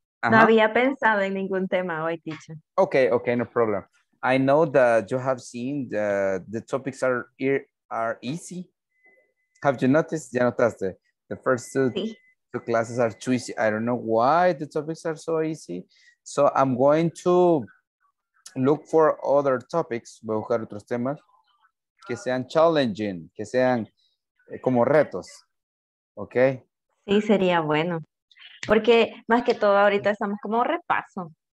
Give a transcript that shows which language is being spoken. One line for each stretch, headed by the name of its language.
Spanish: Uh-huh. No había pensado en ningún tema hoy, teacher.
English: Okay, okay, no problem. I know that you have seen the topics are easy. Have you noticed?
Spanish: ¿Ya notaste?
English: The first two, sí. The classes are too easy. I don't know why the topics are so easy. So I'm going to look for other topics.
Spanish: Voy a buscar otros temas que sean challenging, que sean como retos. Okay. Sí, sería bueno. Porque más que todo ahorita estamos como repaso.